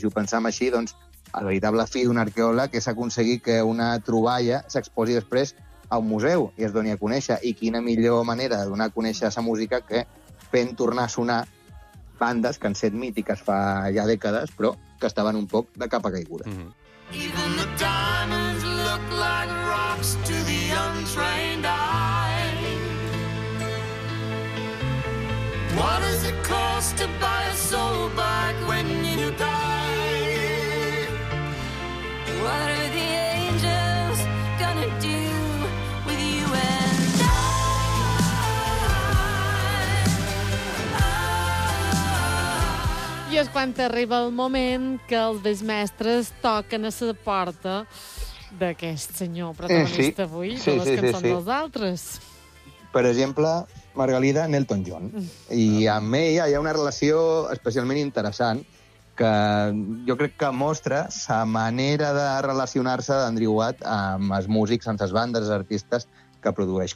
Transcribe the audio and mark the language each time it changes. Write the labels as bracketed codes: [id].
[ca] I si ho pensam així, doncs, el veritable fi d'un arqueòleg és aconseguir que una troballa s'exposi després a un museu i es doni a conèixer. I quina millor manera de donar a conèixer sa música que fent tornar a sonar bandes que han set mítiques fa ja dècades, però que estaven un poc de capa caiguda. [en] Even the diamonds look like rocks to the untrained eye. What does it cost to buy a soul back when you die? What are the angels gonna do with you and I? [ca] I és quan t'arriba el moment que els vells mestres toquen a la porta d'aquest senyor protagonista avui, de les cançons dels altres. Per exemple, Margalida Elton John. I amb ella hi ha una relació especialment interessant que jo crec que mostra sa manera de relacionar-se d'Andrew Watt amb els músics, amb les bandes, els artistes que produeix.